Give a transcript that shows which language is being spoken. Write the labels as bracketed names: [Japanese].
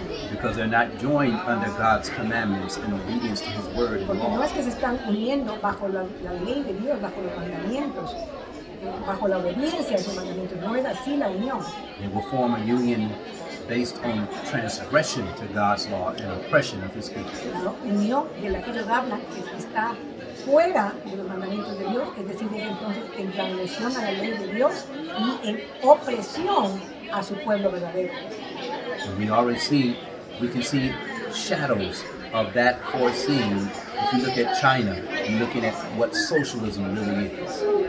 [English] Because they're not joined under God's commandments in obedience to His word and law. [Spanish] Porque no es que se están uniendo bajo la, la ley de Dios, bajo los mandamientos, bajo la obediencia a sus mandamientos. No es así la unión. [English] They will form a union based on transgression to God's law and oppression of His people. [Spanish] La unión de la que ellos hablan es que está fuera de los mandamientos de Dios, es decir, es entonces en transgresión a la ley de Dios y en opresión a su pueblo verdadero. [English] And we already see, we can see shadows of that foreseeing if you look at China and looking at what socialism really is.